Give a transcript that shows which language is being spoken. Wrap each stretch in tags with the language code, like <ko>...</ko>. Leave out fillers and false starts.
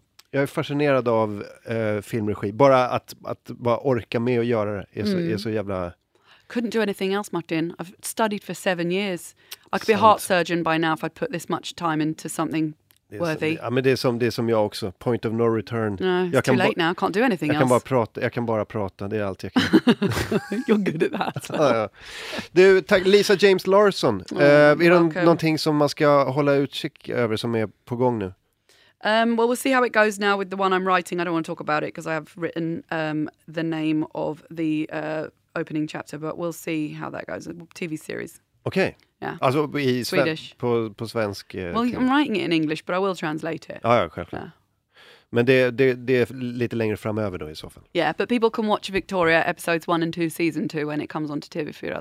<sv>Jag är fascinerad av filmregi. Bara att bara orka med och göra det är så jävla</sv> <en>couldn't do anything else, Martin. I've studied for 7 years. I could be a heart surgeon by now if I'd put this much time into something worthy.</en> <sv>Ja, men det är som jag också.</sv> <en>Point of no return. No, it's</en> <sv>jag</sv> <en>kan too late now. I can't do anything</en> <sv>else. Jag kan bara prata. Det är allt jag kan.</sv> <en>You're good at that.</en> <sv>Du, tack, Lisa James Larson. Är det någonting som man ska hålla utkik över som är på gång nu?</sv> <en>Well, we'll see how it goes now with the one I'm writing. I don't want to talk about it because I have written the name of the opening chapter, but we'll see how that goes. TV series. Okay. Yeah. Also, Swedish.</en> <sv>På svensk.</sv> <en>Well, I'm writing it in English, but I will translate it.</en> <sv>Ah, ja, självklart.</sv> <en>Yeah.</en> <sv>Men det är lite längre framöver då i så fall.</sv> <en>Yeah, but people can watch Victoria episodes 1 and 2 season 2 when it comes on to TV4.</en>